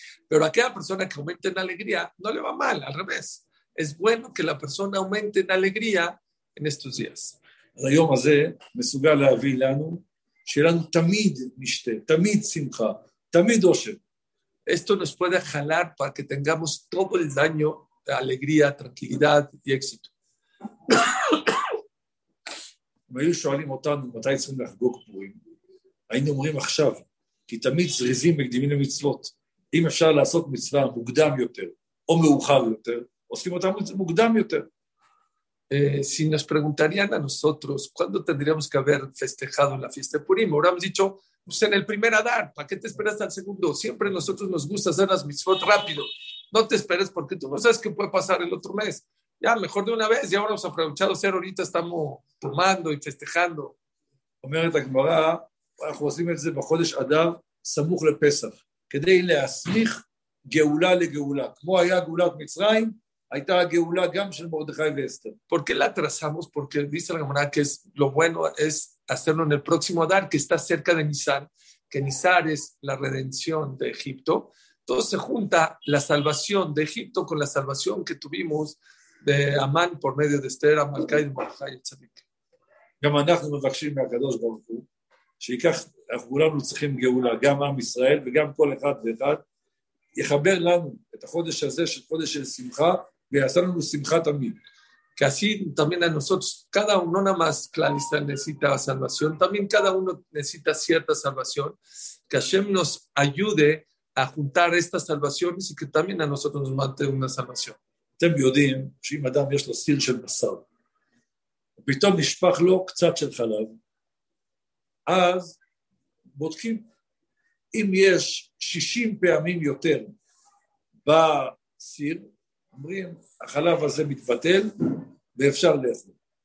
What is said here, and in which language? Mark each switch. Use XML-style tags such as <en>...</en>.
<es>Pero aquella persona que aumente en alegría no le va mal, al revés. Es bueno que la persona aumente en alegría en estos días.</es> <he>היום הזה מסוגל להביא לנו שלנו תמיד משתה, תמיד שמחה, תמיד אושר.</he> <es>Esto nos puede jalar para que tengamos todo el año de alegría, tranquilidad y éxito.</es> <he>אם היו שואלים אותנו מתי צריכים לחגוג פורים, היינו אומרים עכשיו, כי תמיד זריזים מקדימים למצוות. אם אפשר לעשות מצווה מוקדם יותר או מאוחר יותר, עושים אותה מוקדם יותר.</he> <es>Si nos preguntarían a nosotros cuándo tendríamos que haber festejado la fiesta de Purim, hubiéramos dicho, pues en el primer Adar, ¿para qué te esperas al segundo? Siempre a nosotros nos gusta hacer las mitzvot rápido. No te esperes porque tú no sabes qué puede pasar el otro mes. Ya, mejor de una vez, ya ahora hemos aprovechado ser, ahorita estamos tomando y festejando.</es> <he>אומרת הגמרא, אנחנו עושים את זה בחודש אדר, סמוך לפסח. כדי להסמיך גאולה לגאולה. כמו היה גאולת מצרים, הייתה הגאולה גם של מרדכי ואסתר.</he> <es>¿Por qué la trazamos? Porque dice la Gemara que es, lo bueno es hacerlo en el próximo Adar, que está cerca de Nisan, que Nisan es la redención de Egipto. Todo se junta la salvación de Egipto con la salvación que tuvimos de Amán por medio de Esther, Amalcai, de Mordechai, etc.</es> <he>גם אנחנו מבקשים מהקדוש ברוך הוא, שיקח, אנחנו כולנו צריכים גאולה, גם עם ישראל וגם כל אחד ואחד, יחבר לנו את החודש הזה של חודש של שמחה, ויעשה לנו שמחה תמיד.</he> <es>que así también a nosotros, cada uno nada más clarista necesita salvación, también cada uno necesita cierta salvación, que Hashem nos ayude a juntar estas salvaciones y que también a nosotros nos mantenga una salvación.</es> <he>אתם יודעים שאם אדם יש לו סיר של בשר, ופתאום נשפח לו קצת של חלב, אז בודקים. אם יש 60 פעמים יותר בסיר, אומרים, החלב הזה מתבטל ואפשר לאכול.</he>